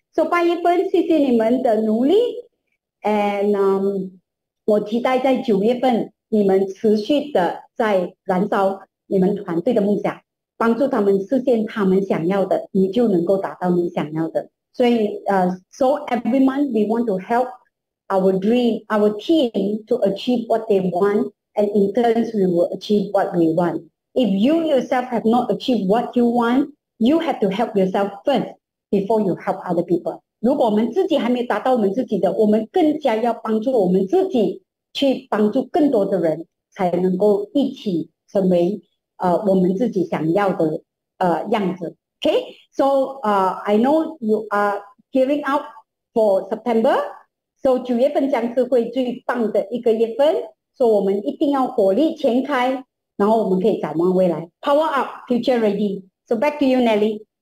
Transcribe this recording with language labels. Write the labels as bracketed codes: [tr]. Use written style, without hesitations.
[zh] So 8月份谢谢你们的努力, and 我期待在9月份你们持续的在燃烧你们团队的梦想，帮助他们实现他们想要的，你就能够达到你想要的。所以 [en] so every month we want to help our dream, our team to achieve what they want and in turn, we will achieve what we want. If you yourself have not achieved what you want, you have to help yourself first before you help other people. [zh] 如果我们自己还没有达到我们自己的，我们更加要帮助我们自己去帮助更多的人，才能够一起成为我们自己想要的样子. [en] Okay, so I know you are gearing up for September. [zh] So 9月份将是会最棒的一个月份.So 我们一定要火力全开，然后我们可以展望未来. [en] Power up, future ready. So back to you, Nelly.